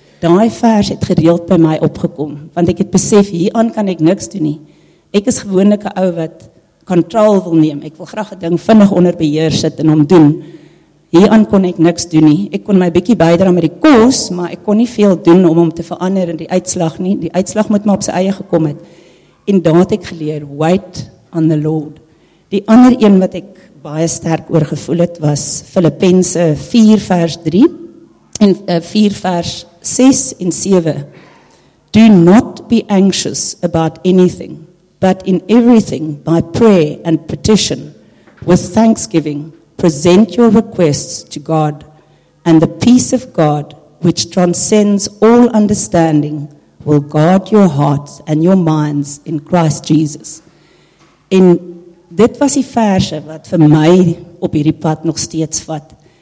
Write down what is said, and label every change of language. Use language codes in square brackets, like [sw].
[af] Daai vers het gereeld by my opgekom, want ek het besef, hieraan kan ek niks doen nie. Ek is gewoonlik 'n ou wat kontrol wil neem. Ek wil graag 'n ding vinnig onder beheer sit en hom doen. Hieraan kon ek niks doen nie. Ek kon my bietjie bydra met die kos, maar ek kon nie veel doen om hom te verander in die uitslag nie. Die uitslag moet maar op sy eie gekom het. En daar het ek geleer, [en] wait on the Lord. [af] Die ander een wat ek baie sterk oor gevoel het, was Filippense 4 vers 3 en 4 vers 6 en 7. [en] Do not be anxious about anything. But in everything, by prayer and petition, with thanksgiving, present your requests to God, and the peace of God, which transcends all understanding, will guard your hearts and your minds in Christ Jesus. [af] En dit was die verse wat vir my op hierdie pad nog steeds vat.